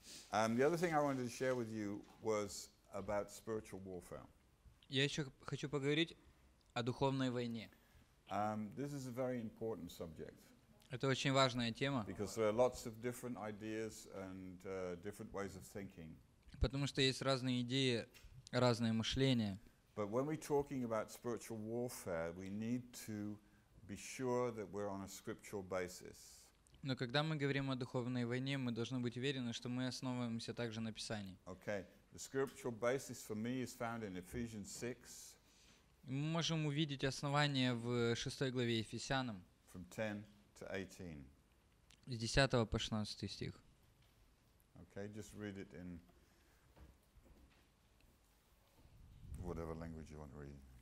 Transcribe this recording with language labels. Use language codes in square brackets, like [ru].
[en] The other thing I wanted to share with you was about spiritual warfare. [ru] Я еще хочу поговорить о духовной войне. [en] This is a very important subject. [ru] Это очень важная тема. [en] Because there are lots of different ideas and different ways of thinking. [ru] Потому что есть разные идеи, разные мышления. [en] But when we're talking about spiritual warfare, we need to be sure that we're on a scriptural basis. [ru] Но когда мы говорим о духовной войне, мы должны быть уверены, что мы основываемся также на Писании. [en] Okay. The scriptural basis for me is found in Ephesians 6. [ru] Мы можем увидеть основание в 6 главе Ефесянам. [en] From 10 to 18. [ru] С 10 по 16 стих. [en] Okay, just read it in whatever language you want to read.